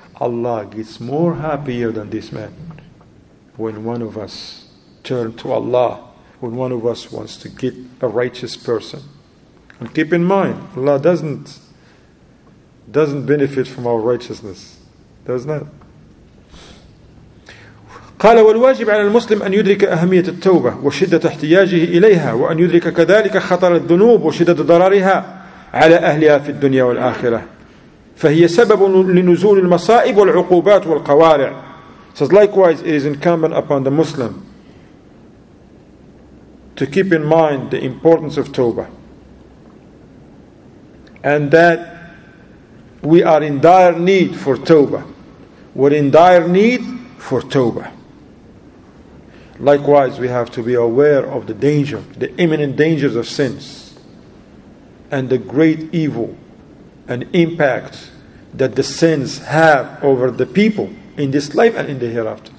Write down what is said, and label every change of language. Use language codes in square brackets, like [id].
[en] Allah gets more happier than this man when one of us turn to Allah, when one of us wants to get a righteous person. And keep in mind, Allah doesn't benefit from our righteousness. Does not. [ar] قال والواجب على المسلم أن يدرك أهمية التوبة وشدة احتياجه إليها وأن يدرك كذلك خطر الذنوب وشدة ضررها على أهلها في الدنيا والآخرة فهي سبب لنزول المصائب والعقوبات والقوارع. [en] Says likewise, it is incumbent upon the Muslim to keep in mind the importance of tawbah and that we are in dire need for tawbah. We're in dire need for tawbah. Likewise, we have to be aware of the danger, the imminent dangers of sins and the great evil and impact that the sins have over the people in this life and in the hereafter.